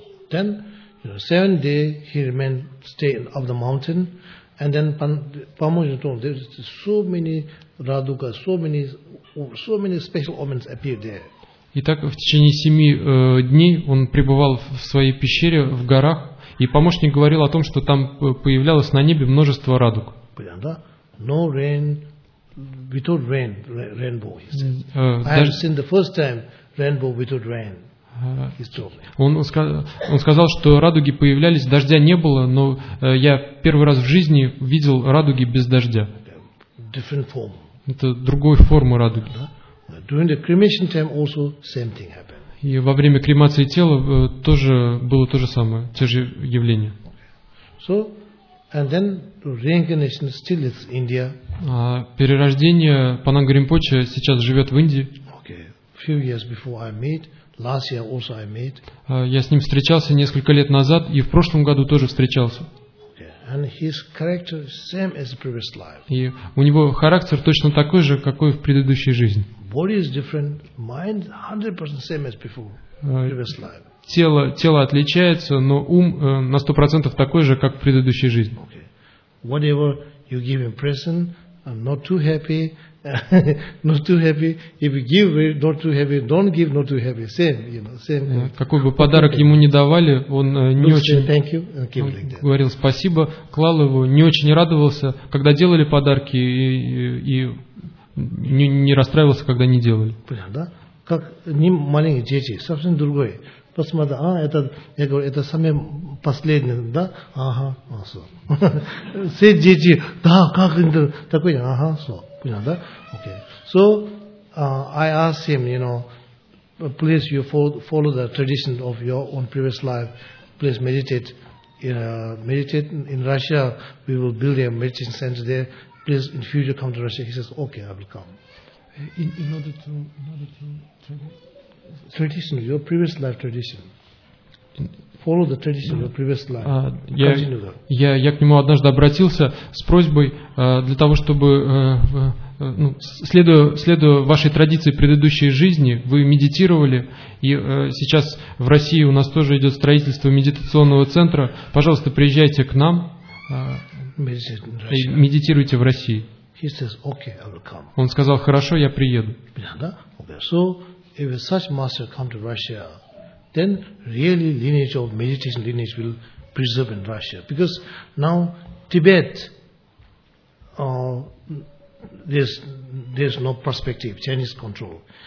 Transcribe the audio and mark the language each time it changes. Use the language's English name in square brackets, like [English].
[English] Then 7 days he remained stay up the mountain. And then [Russian] помощник [English] told there is so many radukas, so many special omens appear there. [Russian] Итак, в течение 7 дней он пребывал в своей пещере в горах, и помощник говорил о том, что там появлялось на небе множество радуг. [English] No rain, without rain, rainbow. He said. I have seen the first time rainbow without rain. [Russian] Он сказал, что радуги появлялись, дождя не было, но я первый раз в жизни видел радуги без дождя. [English] Different form. [Russian] Это другой формы радуги. [English] During the cremation time also same thing happened. [Russian] И во время кремации тела тоже было то же самое, те же явления. [English] So, and then reincarnation still is India. [Russian] Перерождение Панан Гримпоче сейчас живет в Индии. [English] Okay. Few years before I meet. Last year also I met. [Russian] Я с ним встречался несколько лет назад и в прошлом году тоже встречался. [English] Okay. And his character same as the previous life. [Russian] И у него характер точно такой же, какой в предыдущей жизни. [English] Body is different, mind 100% same as before, previous life. [Russian] тело отличается, но ум на 100% такой же, как в предыдущей жизни. [English] Okay. Whatever you give in prison, I'm not too happy. Not too happy. If you give, not too happy. Don't give, not too happy. Same, you know, same. [Russian] Какой бы подарок ему не давали, он не очень. [English] Thank you. Like that. [Russian] Говорил спасибо, клал его, не очень радовался, когда делали подарки, и не расстраивался, когда не делали. Понятно, да? Как не маленькие дети, совсем другое. Посмотри, это самое последнее, да? Ага, все. Все дети, да, как это такое, ага, все. Понятно, да? Okay. [English] So, I asked him, you know, please you follow the tradition of your own previous life. Please meditate. Meditate in Russia. We will build a meditation center there. Please, in future, come to Russia. He says, okay, I will come. [Russian] Я к нему однажды обратился с просьбой для того, чтобы, следуя вашей традиции предыдущей жизни, вы медитировали, и сейчас в России у нас тоже идет строительство медитационного центра. Пожалуйста, приезжайте к нам и медитируйте в России. [English] He says, okay, I will come. [Russian] Он сказал, хорошо, я приеду. [English] So, if such master come to Russia, then really lineage of meditation lineage will preserve in Russia. Because now Tibet, there's no perspective, Chinese control.